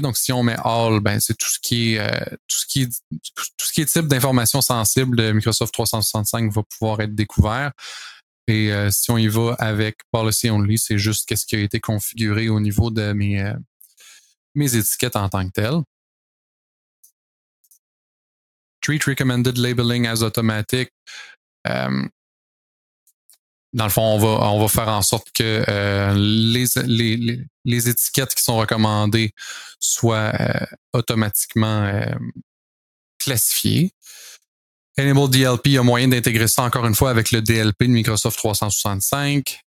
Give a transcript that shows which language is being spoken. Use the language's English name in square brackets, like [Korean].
[French] Donc, si on met all, ben c'est tout ce qui est type d'informations sensibles de Microsoft 365 va pouvoir être découvert. Et si on y va avec policy only, c'est juste qu'est-ce qui a été configuré au niveau de mes étiquettes en tant que telles. [English] Treat recommended labeling as automatic. [French] Dans le fond, on va faire en sorte que les étiquettes qui sont recommandées soient automatiquement classifiées. Enable DLP, il y a moyen d'intégrer ça encore une fois avec le DLP de Microsoft 365.